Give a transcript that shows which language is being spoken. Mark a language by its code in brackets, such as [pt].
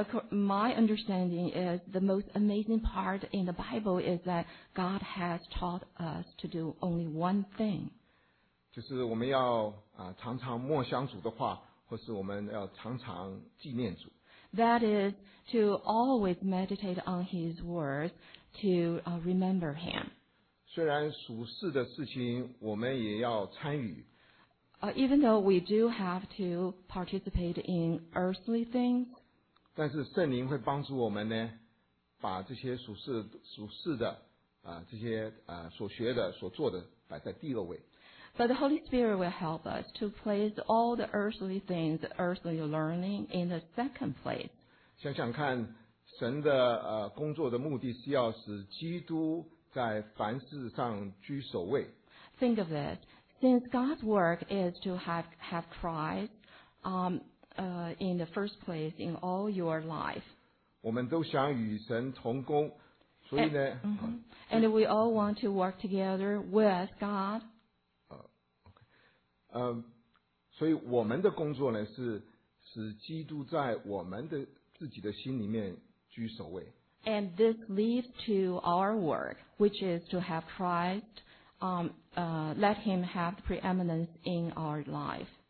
[en] My understanding is the most amazing part in the Bible is that God has taught us to do only one thing. [zh] 就是我们要常常默想主的话，或是我们要常常纪念主。 [en] That is to always meditate on His words to remember Him. [zh] 虽然属世的事情我们也要参与。 [en] Even though we do have to participate in earthly things, [zh] 但是圣灵会帮助我们呢，把这些属世的这些所学的所做的摆在第二位。 [en] But the Holy Spirit will help us to place all the earthly things, earthly learning in the second place. [zh] 想想看神的工作的目的是要使基督在凡事上居首位。 [en] Think of this. Since God's work is to have Christ in the first place in all your life. [zh] 我们都想与神同工，所以呢。 [en] And we all want to work together with God. [zh] 所以我们的工作呢是使基督在我们的自己的心里面居首位。 [en] And this leads to our work, which is to have Christ, let him have preeminence in our life.